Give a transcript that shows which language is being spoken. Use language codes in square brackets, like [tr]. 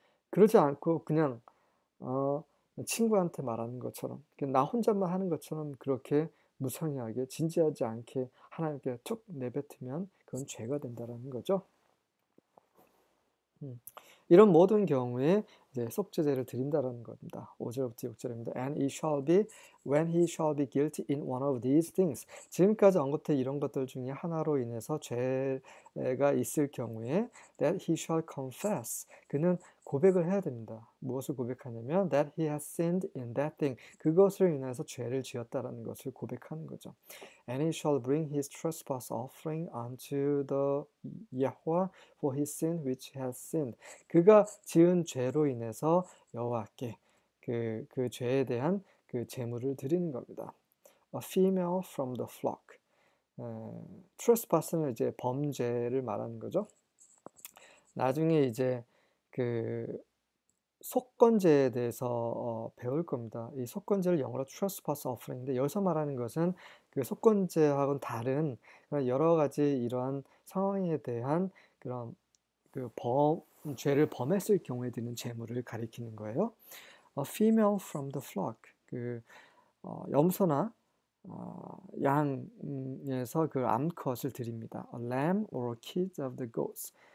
[ko] 그러지 않고 그냥, 친구한테 말하는 것처럼, 나 혼자만 하는 것처럼 그렇게 무성의하게, 진지하지 않게 하나님께 툭 내뱉으면 그건 죄가 된다는 거죠. 이런 모든 경우에 이제 속죄제를 드린다는 겁니다. 5절부터 6절입니다. [en] And he shall be, when he shall be guilty in one of these things. [ko] 지금까지 언급된 이런 것들 중에 하나로 인해서 죄가 있을 경우에 [en] that he shall confess. [ko] 그는 고백을 해야 됩니다. 무엇을 고백하냐면 [en] that he has sinned in that thing. [ko] 그것을 인해서 죄를 지었다라는 것을 고백하는 거죠. [en] And he shall bring his trespass offering unto the Yahweh for his sin which he has sinned. [ko] 그가 지은 죄로 인해서 여호와께 그 죄에 대한 그 제물을 드리는 겁니다. [en] A female from the flock. [ko] Trespass는 이제 범죄를 말하는 거죠. 나중에 이제 그 속건제에 대해서 배울 겁니다. 이 속건제를 영어로 trespass offering인데 여기서 말하는 것은 그 속건제하고는 다른 여러 가지 이러한 상황에 대한 그런 그 죄를 범했을 경우에 드는 재물을 가리키는 거예요. [en] A female from the flock. [ko] 염소나 양에서 그 암컷을 드립니다. [en] A lamb or a kid of the goats.